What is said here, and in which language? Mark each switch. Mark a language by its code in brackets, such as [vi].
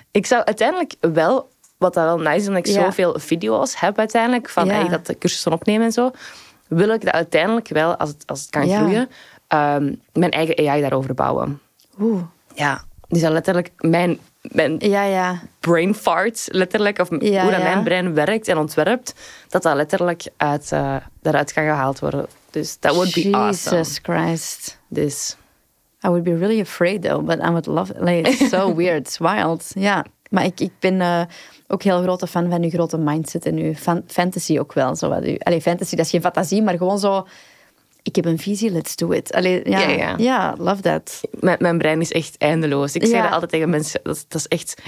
[nl] Ik zou uiteindelijk wel, wat dat wel nice is, omdat ik zoveel video's heb uiteindelijk, van eigenlijk dat de cursussen opnemen en zo, wil ik dat uiteindelijk wel, als het kan groeien, mijn eigen AI daarover bouwen. Oeh. Ja. Dus dat letterlijk mijn brain fart, letterlijk, of hoe dat mijn brein werkt en ontwerpt, dat letterlijk daaruit kan gehaald worden. [en] Dus dat would be Jesus awesome. Jesus Christ. [nl] Dus... [en] I would be really afraid though, but I would love it. Like, it's so weird, it's wild. [nl] Ja, maar ik ben ook heel grote fan van uw grote mindset en uw fantasy ook wel. Zo wat Allee, fantasy, dat is geen fantasie, maar gewoon zo... Ik heb een visie, let's do it. [en] Allee, love that. [nl] Mijn brein is echt eindeloos. Ik zeg dat altijd tegen mensen, dat is echt...